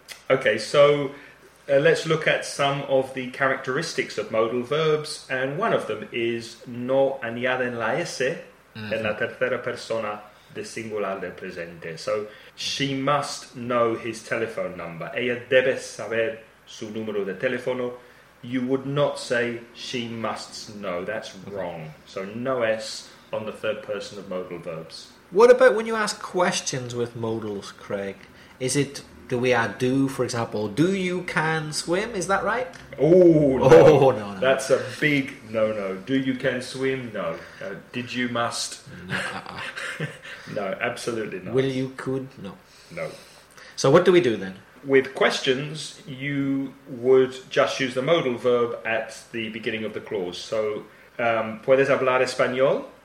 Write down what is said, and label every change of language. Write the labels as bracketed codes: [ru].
[en] Okay, so let's look at some of the characteristics of modal verbs. And one of them is [es] no añaden la S en la tercera persona de singular del presente. [en] So she must know his telephone number. [es] Ella debe saber su número de teléfono. [en] You would not say she must know. That's wrong. So no S on the third person of modal verbs. What about when you ask questions with modals, Craig? Is it, do we add do, for example, do you can swim? Is that right? Oh, no. That's a big no-no. Do you can swim? No. Did you must? No, absolutely not. Will you could? No. No. So what do we do then? With questions, you would just use the modal verb at the beginning of the clause. [es] So, ¿puedes hablar español?